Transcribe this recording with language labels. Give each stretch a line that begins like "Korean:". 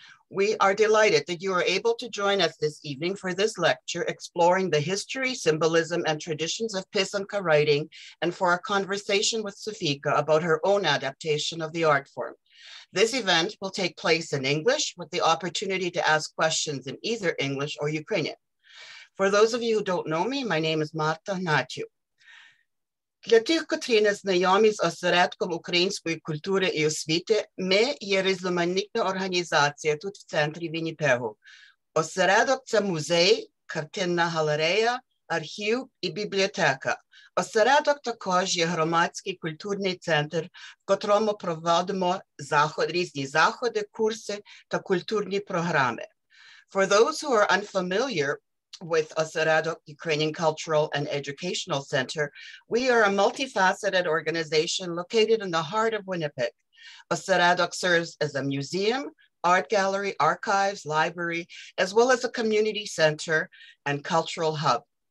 English: We are delighted that you are able to join us this evening for this lecture, exploring the history, symbolism, and traditions of Pysanka writing, and for a conversation with Sofika about her own adaptation of the art form. This event will take place in English with the opportunity to ask questions in either English or Ukrainian. For those of you who don't know me, my name is Marta Natiu.
Ukrainian: Для тих, котрі не знайомі з осередком української культури і освіти, ми є різноманітна організація тут в центрі Вінніпегу. Осередок – це музей, картинна галерея, архів і бібліотека. Осередок також є громадський культурний центр, в котрому проводимо різні заходи, курси та культурні програми.
English: For those who are unfamiliar with Oseredok Ukrainian Cultural and Educational Center, we are a multifaceted organization located in the heart of Winnipeg. Oseredok serves as a museum, art gallery, archives, library, as well as a community center and cultural hub.